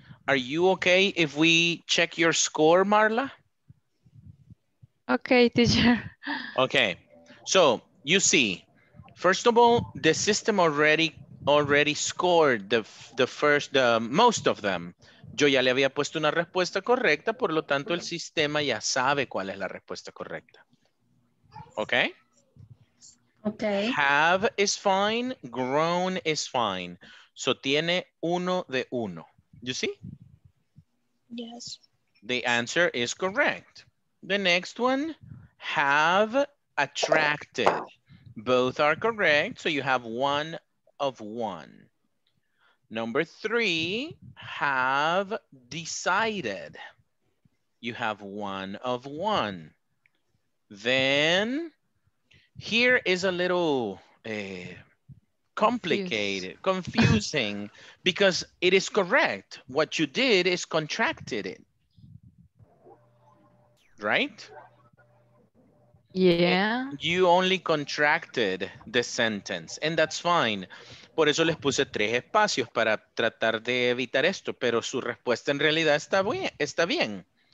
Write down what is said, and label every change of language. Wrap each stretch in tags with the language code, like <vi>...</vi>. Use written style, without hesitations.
<en>Are you okay if we check your score, Marla? Okay, teacher. Okay. So you see, first of all, the system already scored the most of them.</en> <es>Yo ya le había puesto una respuesta correcta, por lo tanto el sistema ya sabe cuál es la respuesta correcta.</es> <en>Okay? Okay. Have is fine, grown is fine. So</en> <es>tiene uno de uno.</es> <en>You see? Yes. The answer is correct. The next one, have attracted. Both are correct, so you have one of one. Number three, have decided. You have one of one. Then here is a little complicated, confusing, because it is correct. What you did is contracted it. Right? Yeah. You only contracted the sentence, and that's fine.</en> <es>Por eso les puse tres espacios para tratar de evitar esto, pero su respuesta en realidad está bien.</es>